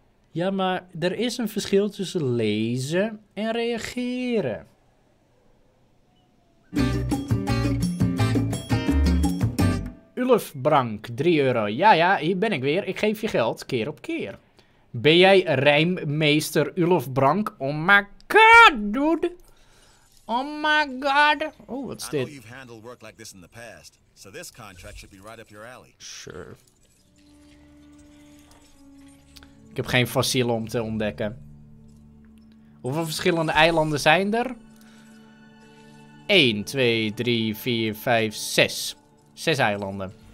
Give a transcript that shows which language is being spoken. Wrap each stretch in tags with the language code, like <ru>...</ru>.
<nl>Ja, maar er is een verschil tussen lezen en reageren. Ulf Brank, 3 euro. Ja, ja, hier ben ik weer. Ik geef je geld keer op keer. Ben jij rijmmeester Ulf Brank?</nl> <en>Oh my god, dude! Oh my god! Oh,</en> <nl>wat is dit?</nl> <en>You've handled work like this in the past. So this contract should be right up your alley. Sure.</en> <nl>Ik heb geen fossielen om te ontdekken. Hoeveel verschillende eilanden zijn er? 1, 2, 3, 4, 5, 6. 6 eilanden.</nl>